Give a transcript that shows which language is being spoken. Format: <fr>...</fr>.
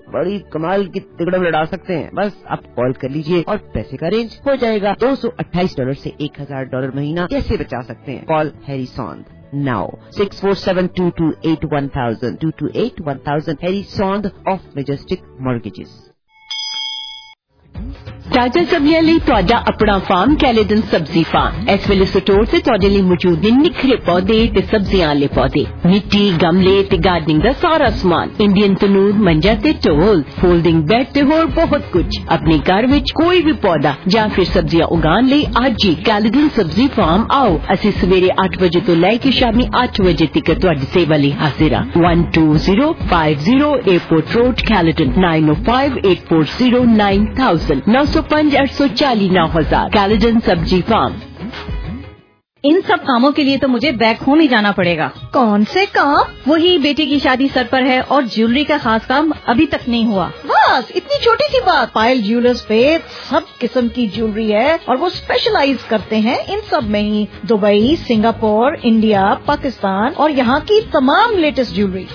<hi>बड़ी कमाल की तिकड़म लड़ा सकते हैं बस आप कॉल कर लीजिए और पैसे का रेंज हो जाएगा $228 से $1000 महीना कैसे बचा सकते हैं call Harrison now 6472281000 Harrison of Majestic mortgages</hi> <pa>ਤਾਜ਼ਾ ਸਬਜ਼ੀਆਂ ਲਈ ਤੁਹਾਡਾ ਆਪਣਾ ਫਾਰਮ ਕੈਲੇਡਨ ਸਬਜ਼ੀ ਫਾਰਮ ਇਸ ਵੇਲੇ ਸਟੋਰ ਤੇ ਤੁਹਾਡੇ ਲਈ ਮੌਜੂਦ ਨੇ ਨਿਖਰੇ ਪੌਦੇ ਤੇ ਸਬਜ਼ੀਆਂ ਵਾਲੇ ਪੌਦੇ ਮਿੱਟੀ ਗਮਲੇ ਤੇ ਗਾਰਡਨਿੰਗ ਦਾ ਸਾਰਾ ਸਮਾਨ ਇੰਡੀਅਨ ਤਨੂਰ ਮੰਜਾ ਤੇ ਟੋਲ ਫੋਲਡਿੰਗ ਬੈਡ ਤੇ ਹੋਰ ਬਹੁਤ ਕੁਝ ਆਪਣੇ ਘਰ ਵਿੱਚ ਕੋਈ ਵੀ ਪੌਦਾ ਜਾਂ ਫਿਰ ਸਬਜ਼ੀਆਂ ਉਗਾਉਣ ਲਈ ਅੱਜ ਹੀ ਕੈਲੇਡਨ ਸਬਜ਼ੀ ਫਾਰਮ ਆਓ ਅਸੀਂ ਸਵੇਰੇ 8 ਵਜੇ ਤੋਂ ਲੈ ਕੇ ਸ਼ਾਮੀ 8 ਵਜੇ ਤੱਕ ਤੁਹਾਡੀ ਸੇਵਾ ਲਈ ਹਾਜ਼ਰ ਹਾਂ 12050 airport road ਕੈਲੇਡਨ 905-840-9000 905-840-9000 Caledon Sabji Farm</pa> <hi>इन सब कामों के लिए तो मुझे बैक होम ही जाना पड़ेगा। कौन से काम? वही बेटी की शादी सर पर है और ज्वेलरी का खास काम अभी तक नहीं हुआ। बस इतनी छोटी सी बात। पायल ज्वेलर्स पे सब किस्म की ज्वेलरी है और वो स्पेशलाइज करते हैं इन सब में ही, दुबई, सिंगापुर, इंडिया, पाकिस्तान और यहाँ की तमाम लेटेस्ट ज्वेलरी।</hi>